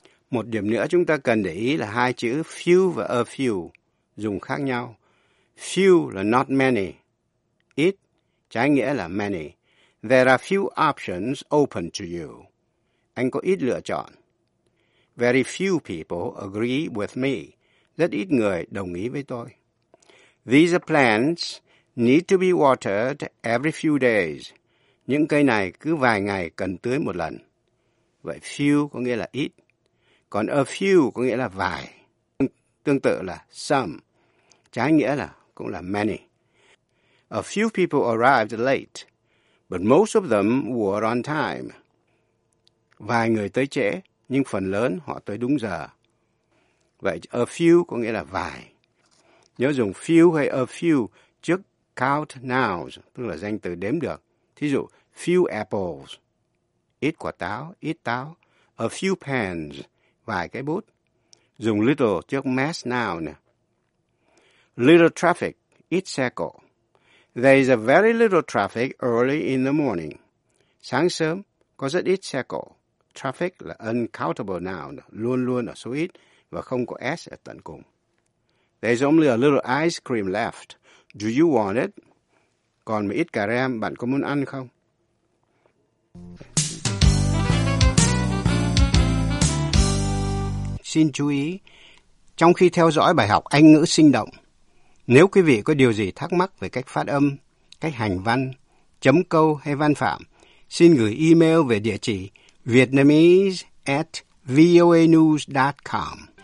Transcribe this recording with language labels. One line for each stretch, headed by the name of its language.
Vietnamese: Một điểm nữa chúng ta cần để ý là hai chữ few và a few dùng khác nhau. Few là not many, ít, trái nghĩa là many.
English: There are few options open to you.
Vietnamese: Anh có ít lựa chọn.
English: Very few people agree with me.
Vietnamese: Rất ít người đồng ý với tôi. These plants need to be watered every few days. Những cây này cứ vài ngày cần tưới một lần. Vậy few có nghĩa là ít. Còn a few có nghĩa là vài. Tương tự là some. Trái nghĩa là cũng là many.
English: A few people arrived late, but most of them were on time.
Vietnamese: Vài người tới trễ, nhưng phần lớn họ tới đúng giờ. Vậy a few có nghĩa là vài. Nhớ dùng few hay a few trước count nouns, tức là danh từ đếm được. Thí dụ, few apples. Ít quả táo, ít táo.
English: A few pens.
Vietnamese: Vài cái bút. Dùng little trước mass noun.
English: Little traffic.
Vietnamese: Ít xe cộ.
English: There is a very little traffic early in the morning.
Vietnamese: Sáng sớm, có rất ít xe cộ. Traffic là uncountable noun, luôn luôn ở số ít và không có S ở tận cùng.
English: There is only a little ice cream left. Do you want it?
Vietnamese: Còn một ít cà rem, bạn có muốn ăn không? Xin chú ý, trong khi theo dõi bài học Anh ngữ sinh động, nếu quý vị có điều gì thắc mắc về cách phát âm, cách hành văn, chấm câu hay văn phạm, xin gửi email về địa chỉ vietnamese@voanews.com.